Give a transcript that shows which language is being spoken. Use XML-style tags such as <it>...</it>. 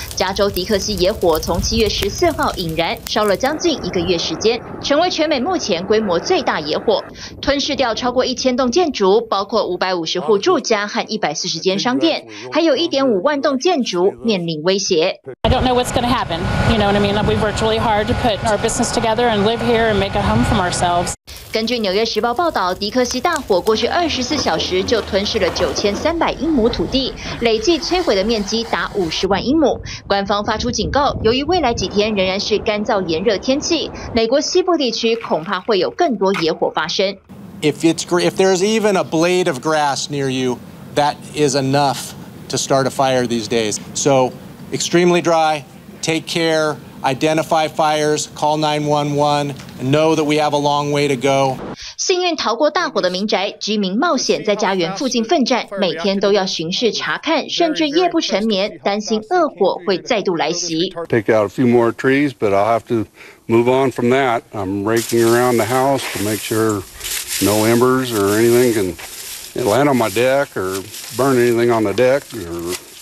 <zh>加州迪克西野火从7月14号引燃，烧了将近1个月时间，成为全美目前规模最大野火，吞噬掉超过1000栋建筑，包括550户住家和140间商店，还有1.5万栋建筑面临威胁。</zh> <en>I don't know what's going to happen. You know what I mean? We've worked really hard to put our business together and live here and make a home for ourselves.</en> <zh>根据《纽约时报》报道，迪克西大火过去24小时就吞噬了9300英亩土地，累计摧毁的面积达50万英亩。官方发出警告，由于未来几天仍然是干燥炎热天气，美国西部地区恐怕会有更多野火发生。</zh> <en>If there's even a blade of grass near you, that is enough to start a fire these days. So, extremely dry. Take care. Identify fires, call 911, and know that we have a long way to go.</en> <zh>幸运逃过大火的民宅居民冒险在家园附近奋战，每天都要巡视查看，甚至夜不成眠，担心恶火会再度来袭。</zh> <en>Take out a few more trees, but I'll have to move on from that. I'm raking around the house to make sure no embers or anything can land on my deck or burn anything on the deck or...</en>